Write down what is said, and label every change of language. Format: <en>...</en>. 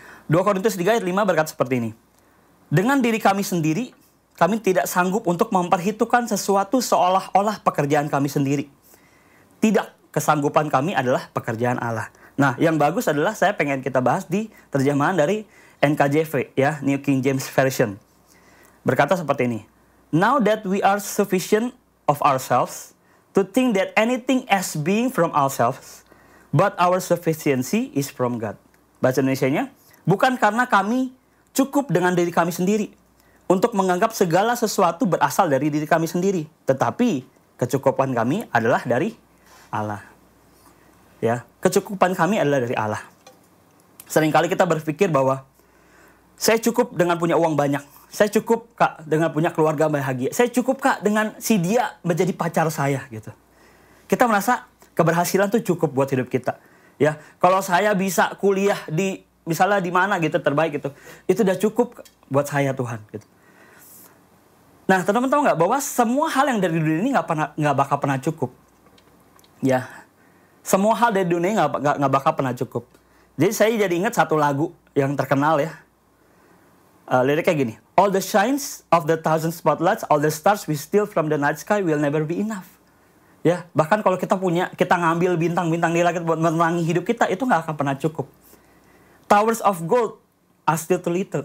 <id>2 Korintus 3 ayat 5 berkata seperti ini. Dengan diri kami sendiri, kami tidak sanggup untuk memperhitungkan sesuatu seolah-olah pekerjaan kami sendiri. Tidak, kesanggupan kami adalah pekerjaan Allah. Nah, yang bagus adalah saya pengen kita bahas di terjemahan dari NKJV, ya, New King James Version, berkata seperti ini.</id> <en>Now that we are sufficient of ourselves to think that anything as being from ourselves, but our sufficiency is from God.</en> <id>Bahasa Indonesia-nya, bukan karena kami cukup dengan diri kami sendiri untuk menganggap segala sesuatu berasal dari diri kami sendiri, tetapi kecukupan kami adalah dari Allah. Ya, kecukupan kami adalah dari Allah. Seringkali kita berpikir bahwa saya cukup dengan punya uang banyak. Saya cukup, Kak, dengan punya keluarga bahagia. Saya cukup, Kak, dengan si dia menjadi pacar saya, gitu. Kita merasa keberhasilan tuh cukup buat hidup kita. Ya, kalau saya bisa kuliah di, misalnya di mana gitu, terbaik gitu. Itu udah cukup buat saya, Tuhan, gitu. Nah, teman-teman tahu nggak bahwa semua hal yang dari dunia ini nggak bakal pernah cukup. Ya, semua hal dari dunia ini nggak bakal pernah cukup. Jadi saya jadi ingat satu lagu yang terkenal ya. Lirik kayak gini.</id> <en>All the shines of the thousand spotlights, all the stars we steal from the night sky will never be enough.</en> <id>Ya, yeah, bahkan kalau kita ngambil bintang-bintang di langit buat menerangi hidup kita, itu gak akan pernah cukup.</id> <en>Towers of gold are still too little.</en>